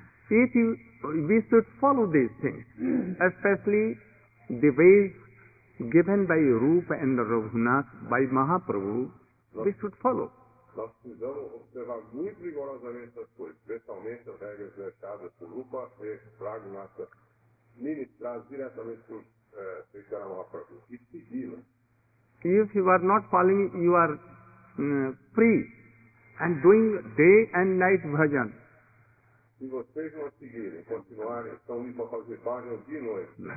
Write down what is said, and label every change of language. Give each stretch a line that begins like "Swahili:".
English: We should follow these things, especially the ways given by Rupa and Raghuna by Mahaprabhu, we should follow.
Portuguese: Nós precisamos observar muito rigorosamente as coisas, especialmente as regras deixadas por Rupa e Raghunath, ministradas diretamente por Sri Karamaprabhu, e segui-las.
English: If you are not following, you are free and doing day and night bhajan.
Portuguese: Se vocês não seguirem, continuarem, estão indo para fazer bhajan dia e noite.